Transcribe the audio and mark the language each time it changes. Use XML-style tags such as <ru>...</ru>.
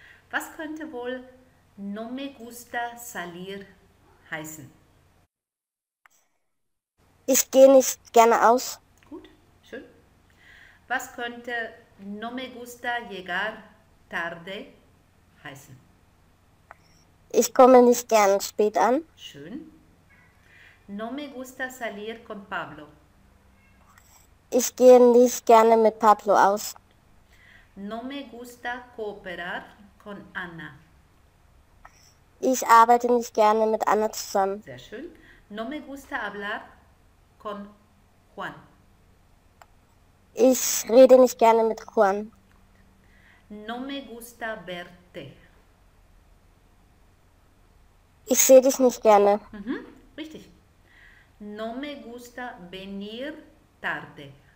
<de>Was könnte wohl</de> <es>no me gusta salir</es> <de>heißen? Ich gehe nicht gerne aus. Gut, schön. Was könnte</de> <es>no me gusta llegar tarde</es> <de>heißen? Ich komme nicht gern spät an. Schön.</de> <es>No me gusta salir con Pablo.</es> <de>Ich gehe nicht gerne mit Pablo aus.</de> <es>No me gusta cooperar con Ana.</es> <de>Ich arbeite nicht gerne mit Anna zusammen. Sehr schön.</de> <es>No me gusta hablar con Juan.</es> <de>Ich rede nicht gerne mit Juan.</de> <es>No me gusta verte.</es> <de>Ich sehe dich nicht gerne. Richtig.</de> <es>No me gusta venir tarde.</es>